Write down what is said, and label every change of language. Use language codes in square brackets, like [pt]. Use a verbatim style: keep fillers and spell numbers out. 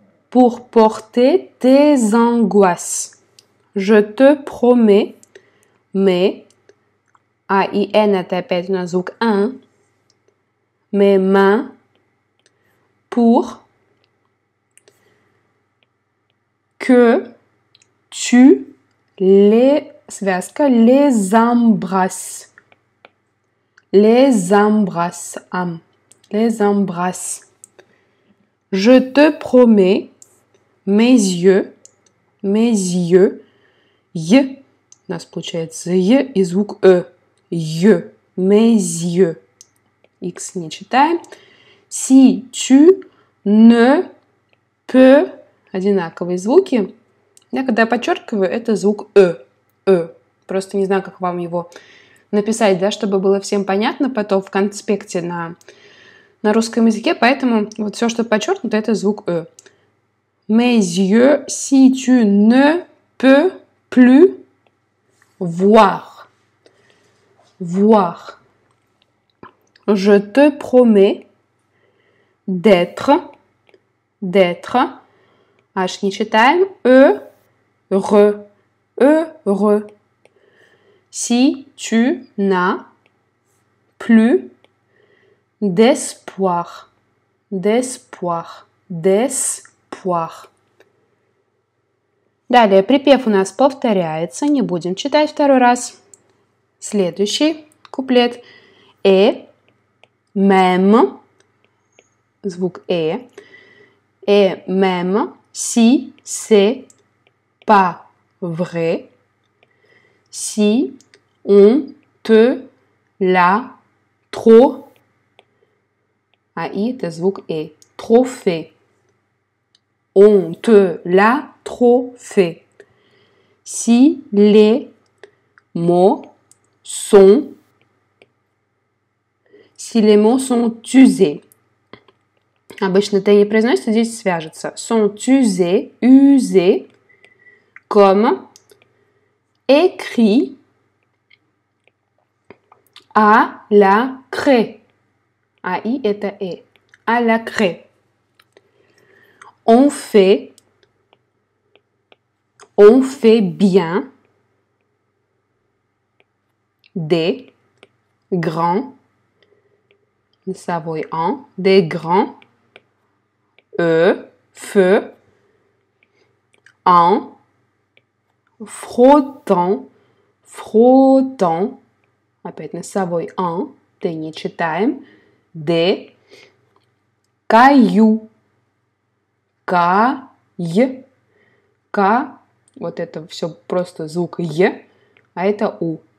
[fr] Pour porter tes angoisses. Je te promets, mais, [ru] а и н это опять на звук «н», [fr] mes mains pour que tu les, связка, les embrasses, les embrasses, am, les embrasses. Je te promets, mes yeux, mes yeux, [ru] «Й» у нас получается «й» и звук «э». «Й» – [fr] «mes yeux». [ru] «Х» не читаем. [fr] «Si tu ne peux» – [ru] одинаковые звуки. Я когда подчеркиваю, это звук «э». «Э». Просто не знаю, как вам его написать, да, чтобы было всем понятно потом в конспекте на, на русском языке. Поэтому вот все, что подчеркнуто, это звук «э». [fr] «Mes yeux, si tu ne peux» plus voir, voir. Je te promets d'être, d'être, [ru] H не читаем, [fr] heureux, heureux. Si tu n'as plus d'espoir, d'espoir, d'espoir. [ru] Далее припев у нас повторяется, не будем читать второй раз. Следующий куплет. [fr] Et même, [ru] звук «э», [fr] et même si c'est pas vrai, si on te l'a trop, [ru] а и это звук «э», [fr] trop fait. On te l'a trop fait. Si les mots sont, si les mots sont usés. [ru] Обычно «т» не произносится, здесь свяжется. [fr] Sont usés, usés, comme écrit à la craie. [ru] А и это «э». [fr] À la craie. On fait, on fait bien des grands, nous savons, des grands [ru] E, feu, en, фротон, фротон, опять носовой «ан», «т» не читаем, «д», «каю», «кай», «ка», вот это все просто звук «е», а это «у».